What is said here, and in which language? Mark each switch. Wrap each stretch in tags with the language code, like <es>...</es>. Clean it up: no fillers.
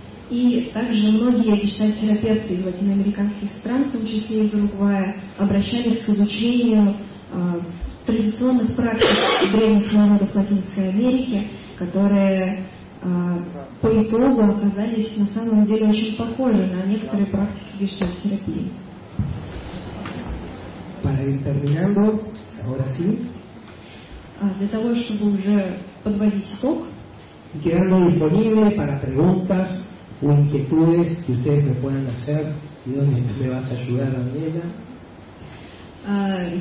<ru>И также многие гештальт-терапевты из латиноамериканских стран, в том числе из Уругвая, обращались к изучению традиционных практик древних народов Латинской Америки, которые по итогу оказались на самом деле очень похожи на некоторые практики гештальт-терапии.</ru> <es>Para ir terminando, ahora sí.</es> <ru>Для того, чтобы уже подводить итог,</ru> <es>quedando disponible para preguntas o inquietudes que ustedes me puedan hacer y donde me vas a ayudar, Daniela.</es>